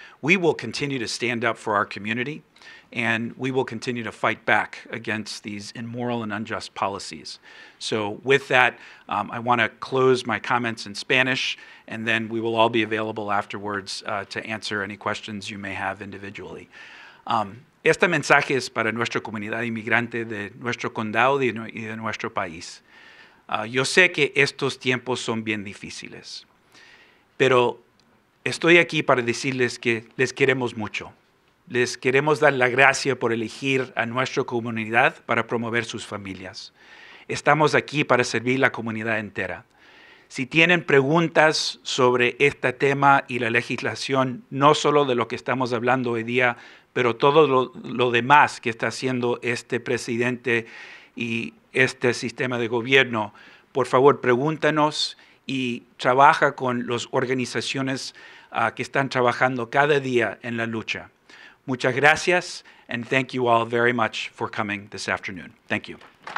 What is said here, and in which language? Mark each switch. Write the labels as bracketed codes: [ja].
[en] We will continue to stand up for our community, and we will continue to fight back against these immoral and unjust policies. So with that, I want to close my comments in Spanish, and then we will all be available afterwards to answer any questions you may have individually. [es] Este mensaje es para nuestra comunidad inmigrante de nuestro condado y de nuestro país. Yo sé que estos tiempos son bien difíciles, pero estoy aquí para decirles que les queremos mucho. Les queremos dar la gracia por elegir a nuestra comunidad para promover sus familias. Estamos aquí para servir la comunidad entera. Si tienen preguntas sobre este tema y la legislación, no solo de lo que estamos hablando hoy día, pero todo lo demás que está haciendo este presidente y este sistema de gobierno, por favor, pregúntanos y trabaja con las organizaciones que están trabajando cada día en la lucha. Muchas gracias, [en] and thank you all very much for coming this afternoon. Thank you.